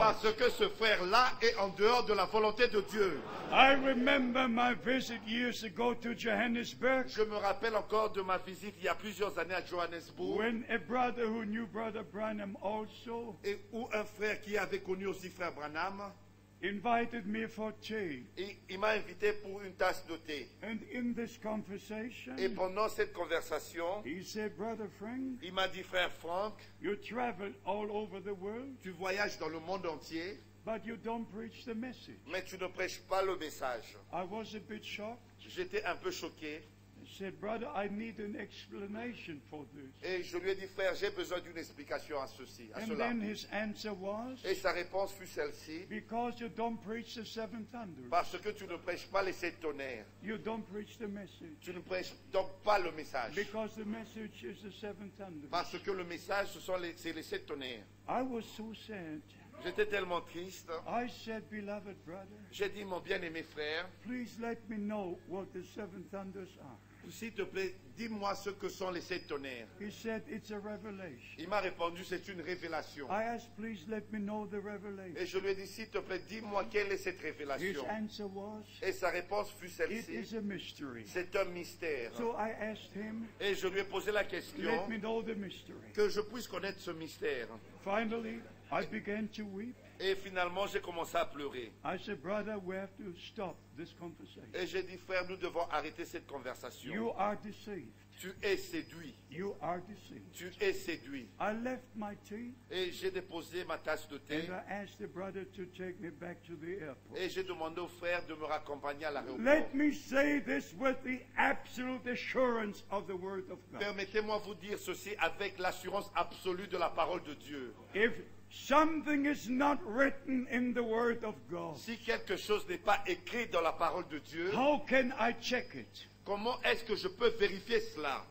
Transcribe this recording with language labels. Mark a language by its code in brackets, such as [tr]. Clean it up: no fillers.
[fr] Parce que ce frère-là est en dehors de la volonté de Dieu. [en] I remember my visit years ago to Johannesburg. [fr] Je me rappelle encore de ma visite il y a plusieurs années à Johannesburg. [en] When a brother who knew Brother Branham also. [fr] Et où un frère qui avait connu aussi Frère Branham. [en] Invited me for tea. [fr] Il m'a invité pour une tasse de thé. [en] And in this conversation, [fr] et pendant cette conversation, [en] he said, Brother Frank, [fr] il m'a dit, Frère Frank, [en] you travel all over the world, [fr] tu voyages dans le monde entier, [en] but you don't preach the message. [fr] Mais tu ne prêches pas le message. [en] I was a bit shocked. [fr] J'étais un peu choqué. [en] Said, brother, I need an explanation for this. [fr] Et je lui ai dit, frère, j'ai besoin d'une explication à ceci, à [en] and [fr] cela. [en] Then his answer was, [fr] et sa réponse fut celle-ci. [en] Because you don't preach the seven thunders. [fr] Parce que tu ne prêches pas les sept tonnerres. [en] You don't preach the message. [fr] Tu ne prêches donc pas le message. [en] Because the message is the seven thunders. [fr] Parce que le message, c'est les sept tonnerres. [en] I was so sad. [fr] J'étais tellement triste. [en] I said, beloved brother, [fr] j'ai dit, mon bien-aimé frère, [en] please let me know what the seven thunders are. [fr] S'il te plaît, dis-moi ce que sont les sept tonnerres. [en] He said, it's a revelation. [fr] Il m'a répondu, c'est une révélation. [en] I asked, please let me know the revelation. [fr] Et je lui ai dit, s'il te plaît, dis-moi quelle est cette révélation. [en] His answer was, [fr] et sa réponse fut celle-ci. [en] It is a mystery. [fr] C'est un mystère. [en] So I asked him, [fr] et je lui ai posé la question, [en] let me know the mystery. [fr] Que je puisse connaître ce mystère. [en] Finally, I began to weep. [fr] Et finalement, j'ai commencé à pleurer. [en] I said, brother, we have to stop this conversation. [fr] Et j'ai dit, frère, nous devons arrêter cette conversation. [en] You are deceived. [fr] Tu es séduit. [en] You are deceived. [fr] Tu es séduit. [en] I left my tea. [fr] Et j'ai déposé ma tasse de thé. [en] And I asked the brother to take me back to the airport. [fr] Et j'ai demandé au frère de me raccompagner à l'aéroport. [en] Let me say this with the absolute assurance of the word of God. [fr] Permettez-moi vous dire ceci avec l'assurance absolue de la parole de Dieu. [en] If something is not written in the word of God, [fr] si quelque chose n'est pas écrit dans la parole de Dieu, [en] how can I check it? [fr] Comment est-ce que je peux vérifier cela?